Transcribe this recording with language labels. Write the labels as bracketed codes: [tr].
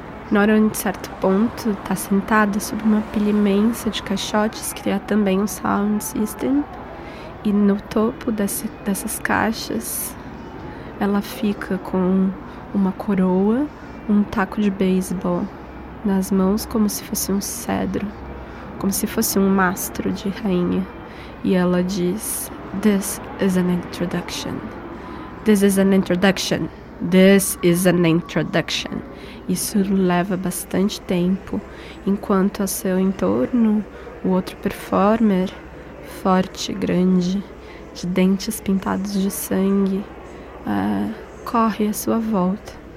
[pt] Nora, em certo ponto, está sentada sobre uma pilha imensa de caixotes, que é também um sound system. E no topo dessas caixas, ela fica com uma coroa, um taco de beisebol nas mãos, como se fosse um cedro, como se fosse um mastro de rainha. E ela diz: [en] "This is an introduction. This is an introduction. This is an introduction." [pt] Isso leva bastante tempo, enquanto a seu entorno, o outro performer, forte, grande, de dentes pintados de sangue, corre à sua volta.